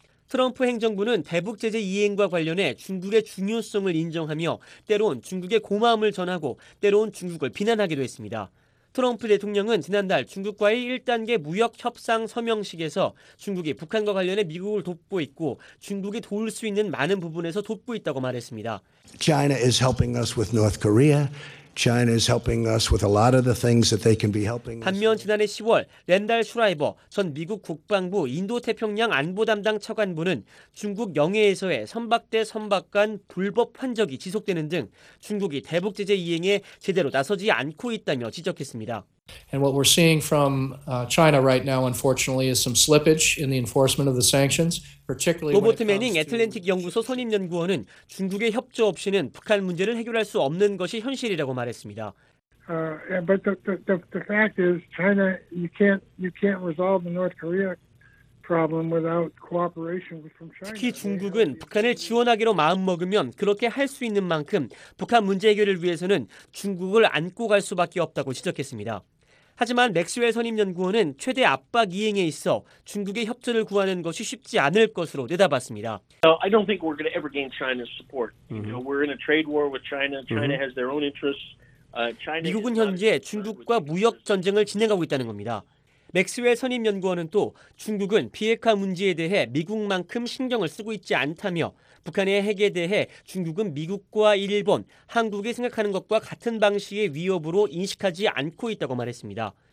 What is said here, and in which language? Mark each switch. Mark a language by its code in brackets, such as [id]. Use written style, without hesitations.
[ko] 트럼프 행정부는 대북 제재 이행과 관련해 중국의 중요성을 인정하며 때론 중국의 고마움을 전하고 때론 중국을 비난하기도 했습니다. 트럼프 대통령은 지난달 중국과의 1단계 무역 협상 서명식에서 중국이 북한과 관련해 미국을 돕고 있고 중국이 도울 수 있는 많은 부분에서 돕고 있다고 말했습니다. [en] China is helping us with North Korea. China is helping us with a lot of the things that they can be helping us. [ko] 반면 지난해 10월 랜달 슈라이버 전 미국 국방부 인도태평양 안보 담당 차관보는 중국 영해에서의 선박 대 선박 간 불법 환적이 지속되는 등 중국이 대북 제재 이행에 제대로 나서지 않고 있다며 지적했습니다. [en] And what we're seeing from China right now, unfortunately, is some slippage in the enforcement of the sanctions, particularly. [ko] 로버트 매닝 애틀랜틱 연구소 선임 연구원은 중국의 협조 없이는 북한 문제를 해결할 수 없는 것이 현실이라고 말했습니다. [en] But the fact is, China, you can't resolve the North Korea problem without cooperation from China. [ko] 특히 중국은 북한을 지원하기로 마음 먹으면 그렇게 할 수 있는 만큼 북한 문제 해결을 위해서는 중국을 안고 갈 수밖에 없다고 지적했습니다. 하지만 맥스웰 선임연구원은 최대 압박 이행에 있어 중국의 협조를 구하는 것이 쉽지 않을 것으로 내다봤습니다. [en] I don't think we're going to ever gain China's support. You know, we're in a trade war with China. China has their own interests. China [ko] 미국은 현재 중국과 무역 전쟁을 진행하고 있다는 겁니다. 맥스웰 선임연구원은 또 중국은 비핵화 문제에 대해 미국만큼 신경을 쓰고 있지 않다며 북한의 핵에 대해 중국은 미국과 일본, 한국이 생각하는 것과 같은 방식의 위협으로 인식하지 않고 있다고 말했습니다.